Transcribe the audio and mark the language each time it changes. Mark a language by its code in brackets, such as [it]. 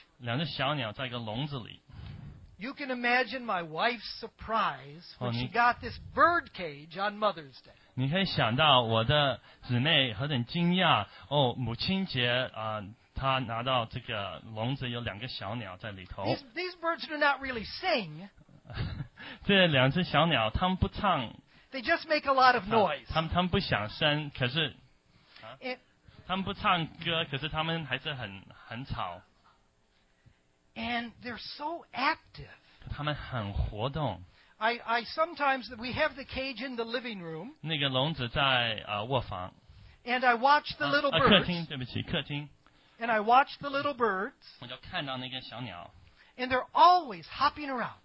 [zh] 两只小鸟在一个笼子里。 [en] You can imagine my wife's surprise when she got this bird cage on Mother's Day. [zh] 你可以想到我的姊妹何等惊讶哦，母亲节她拿到这个笼子有两个小鸟在里头。 [en] These birds do not really sing. [zh] 这两只小鸟它们不唱。 [en] They just make a lot of noise. [zh] 它们不响声，可是它们不唱歌，可是它们还是很吵。 [en] And they're so active. [zh] 他们很活动。 [en] I sometimes, we have the cage in the living room. [zh] 那个笼子在, 卧房。 [en] And I watch the little birds. [zh] 客厅, 对不起, 客厅。 [en] And I watch the little birds. [zh] 我就看到那个小鸟。 [en] And they're always hopping around.